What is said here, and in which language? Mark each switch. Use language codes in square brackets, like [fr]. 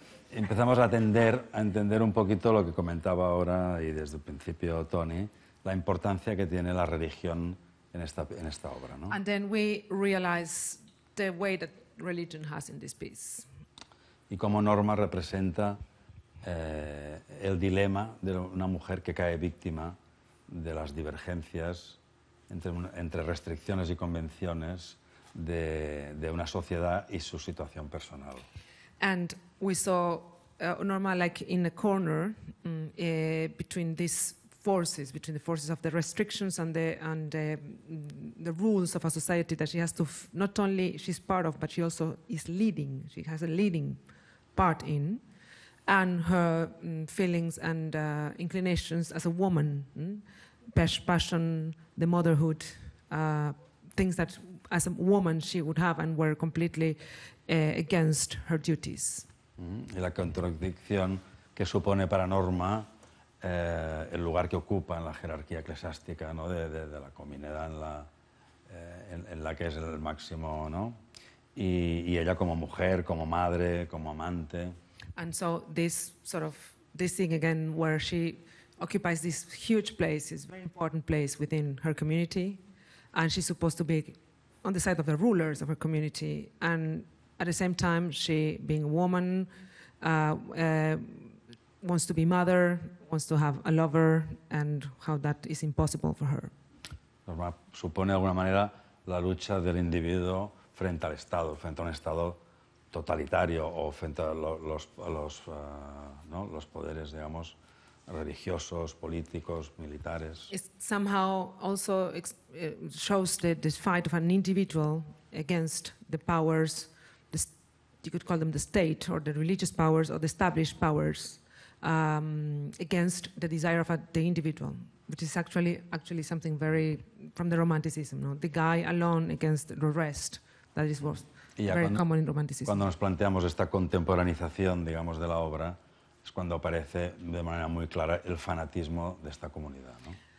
[es] Empezamos a entender un poquito lo que comentaba ahora y desde el principio Tony, la importancia que tiene la religión en esta obra, ¿no? [en] And then we realize the way that religion has in this piece. [es] Y cómo Norma representa el dilema de una mujer que cae víctima de las divergencias entre restricciones y convenciones de una sociedad y su situación personal. [en] And we saw Norma like in a corner between these forces, between the forces of the restrictions and the rules of a society that she has to not only she's part of, but she also is leading. She has a leading part in. And her feelings and inclinations as a woman, passion, the motherhood, things that as a woman she would have and were completely against her duties. [es] Y la contradicción que supone para Norma el lugar que ocupa en la jerarquía eclesiástica, ¿no? De la comunidad en la que es el máximo, ¿no? Y ella como mujer, como madre, como amante. [en] And so this sort of this thing again, where she occupies this huge place, this very important place within her community, and she's supposed to be on the side of the rulers of her community, and at the same time she, being a woman, wants to be mother, wants to have a lover, and how that is impossible for her. [es] Norma supone de alguna manera la lucha del individuo frente al Estado, frente a un Estado totalitario o frente a los poderes, digamos, religiosos, políticos, militares. [en] It somehow also shows the fight of an individual against the powers, you could call them the state or the religious powers or the established powers, against the desire of the individual, which is actually something very from the Romanticism, no? The guy alone against the rest, that is worse. [es] Y ya cuando nos planteamos esta contemporaneización, digamos, de la obra, es cuando aparece de manera muy clara el fanatismo de esta comunidad, ¿no?